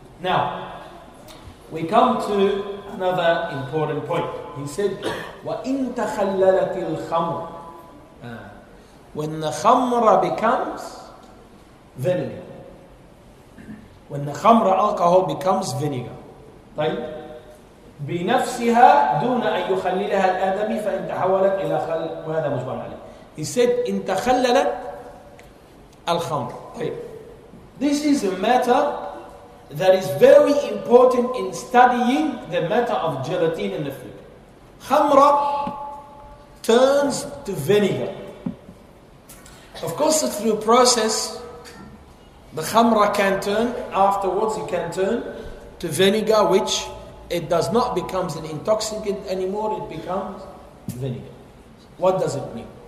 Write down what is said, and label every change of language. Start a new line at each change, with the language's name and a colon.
English: Now, we come to another important point. He said,
Arabic: wa in takhallalatil khamr.
English: When the khamra becomes venom. When the khamra alcohol becomes vinegar.
Arabic: طيب. بنفسها دون أن يخللها الآدمي فإن تحولت إلى خل وهذا مجبر عليه.
English: He said,
Arabic: إن تخللت الخمر. طيب.
English: This is a matter that is very important in studying the matter of gelatin in the food. Khamra turns to vinegar. Of course, through process, the khamra can turn, afterwards it can turn to vinegar, which it does not becomes an intoxicant anymore, it becomes vinegar. What does it mean?